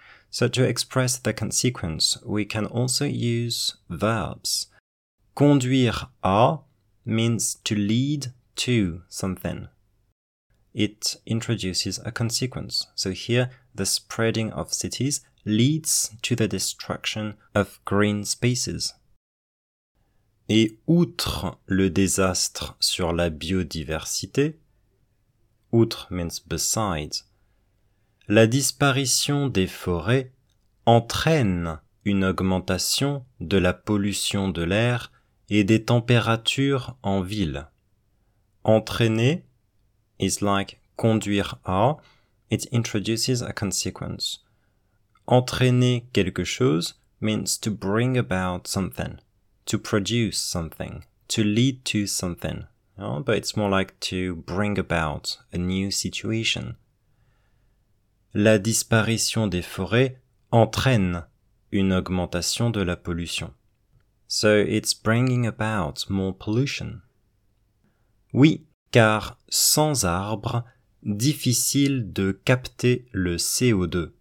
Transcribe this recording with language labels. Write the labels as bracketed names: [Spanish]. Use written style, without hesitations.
[English] So to express the consequence, we can also use verbs. Conduire à means to lead to something. It introduces a consequence. So here, the spreading of cities leads to the destruction of green spaces. [French] Et outre le désastre sur la biodiversité, [English] outre means besides, [French] la disparition des forêts entraîne une augmentation de la pollution de l'air et des températures en ville. Entraîner [English] is like conduire à, it introduces a consequence. [French] Entraîner quelque chose [English] means to bring about something, to produce something, to lead to something. You know? But it's more like to bring about a new situation. [French] La disparition des forêts entraîne une augmentation de la pollution. [English] So it's bringing about more pollution. [French] Oui, car sans arbres, difficile de capter le CO2.